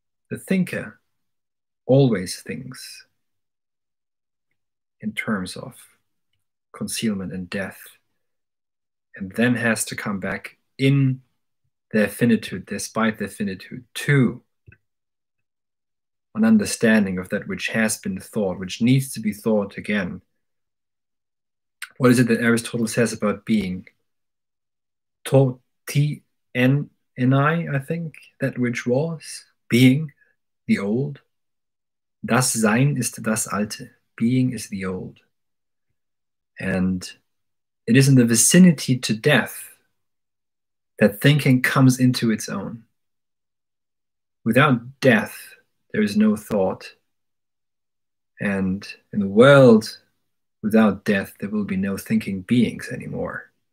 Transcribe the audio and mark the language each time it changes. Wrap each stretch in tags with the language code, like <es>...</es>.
<en>The thinker always thinks in terms of concealment and death, and then has to come back in their finitude, despite their finitude, to an understanding of that which has been thought, which needs to be thought again. What is it that Aristotle says about being?</en> <el>To ti en enai,</el> <en>I think, that which was, being, the old.</en> <de>Das Sein ist das Alte,</de> <en>being is the old. And it is in the vicinity to death that thinking comes into its own. Without death, there is no thought. And in the world without death, there will be no thinking beings anymore.</en>